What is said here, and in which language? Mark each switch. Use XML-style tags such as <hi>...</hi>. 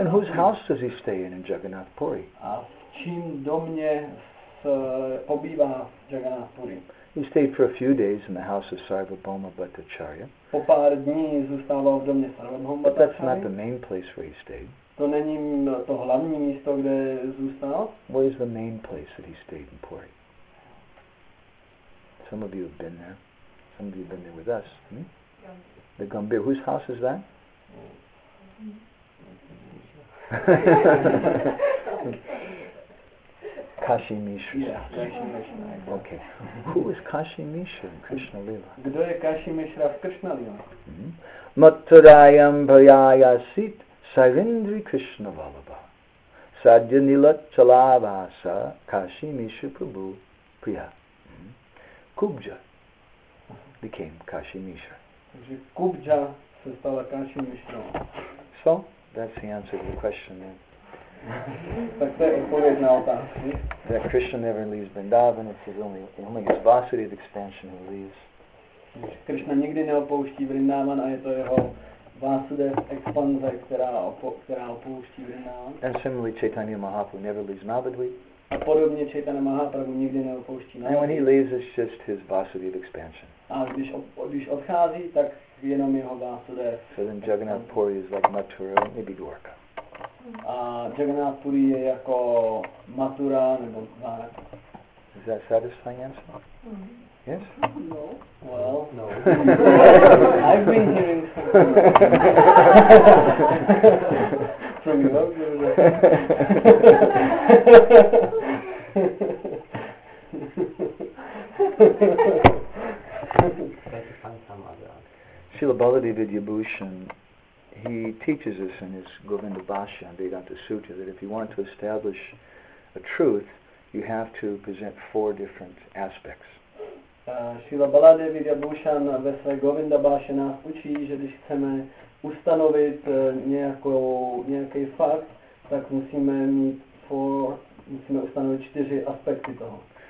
<en>And whose house does he stay in Jagannath Puri?</en> <cs>A v čím domě pobývá v Jagannath Puri?</cs> <en>He stayed for a few days in the house of Sarvabhauma Bhattacharya.</en> <cs>Po pár dní zůstával v domě Sarvabhauma Bhattacharya.</cs> <en>But that's not the main place where he stayed.</en> <cs>To není to hlavní místo, kde zůstal.</cs> <en>Where is the main place that he stayed in Puri? Some of you have been there. Some of you have been there with us. Hmm? Yeah. The Gambir. Whose house is that? Kashi Mishra. Yeah, Kashi Mishra. Okay. Who is Kashi Mishra in Krishna Lila?</en> <cs>Kdo je Kashi Mishra v Krishna Lila?</cs> <sa>Maturayam Bhayaya Sit Sarindri Krishna Vallabha Sadya Nilat Chalavasa Kashi Mishra Prabhu Priya.</sa> <en>Kubja became Kashi Mishra.</en> <cs>Kubja se stala Kashi Mishra.</cs> <en>So, that's the answer to the question then.</en> <cs>Tak to je odpověď na otázku.</cs> <en>That Krishna never leaves Vrindavan, it's only his Vasudeva expansion who leaves.</en> <cs>Krishna nikdy neopouští Vrindavan a je to jeho Vasudeva expanze, která opouští Vrindavan.</cs> <en>And similarly, Chaitanya Mahaprabhu never leaves Navadvip.</en> <cs>A podobně Chaitanya Mahaprabhu nikdy neopouští.</cs> <en>And when he leaves, it's just his Vasudeva expansion.</en> <cs>A když odchází, tak jenom jeho Vasudeva.</cs> <en>So then Jagannath Puri is like Mathura, maybe Dwarka.</en> <cs>A Jagannath Puri je jako Mathura nebo Dwarka.</cs> <en>Is that satisfying answer? Mm-hmm. Yes? No. Well, no. I've been hearing something from you. From you. Srila Baladeva Vibhushan, he teaches us in his Govinda Bhashya and Vedanta Sutra that if you want to establish a truth, you have to present four different aspects.</en> <cs>Srila Baladeva Vibhushan ve své Govinda Bhashya nás učí, že když chceme ustanovit nějaký fakt, tak musíme ustanovit čtyři aspekty toho.</cs>